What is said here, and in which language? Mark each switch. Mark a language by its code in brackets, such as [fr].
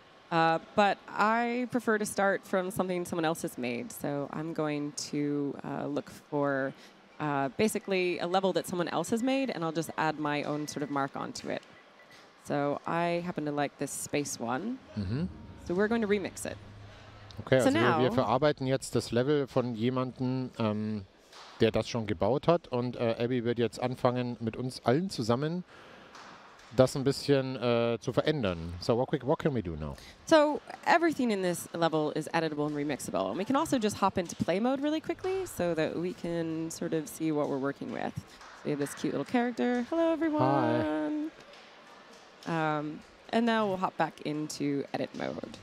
[en] But I prefer to start from something someone else has made. So I'm going to look for basically a level that someone else has made, and I'll just add my own sort of mark onto it. So I happen to like this space one. Mm-hmm. So we're going to remix it. [de] Okay, so also now wir verarbeiten jetzt das Level von jemandem, der das schon gebaut hat. Und Abbie wird jetzt anfangen mit uns allen zusammen das ein bisschen zu verändern. [en] So what can we do now? So everything in this level is editable and remixable. And we can also just hop into play mode really quickly so that we can sort of see what we're working with. We have this cute little character. Hello, everyone. Hi. And now we'll hop back into edit mode.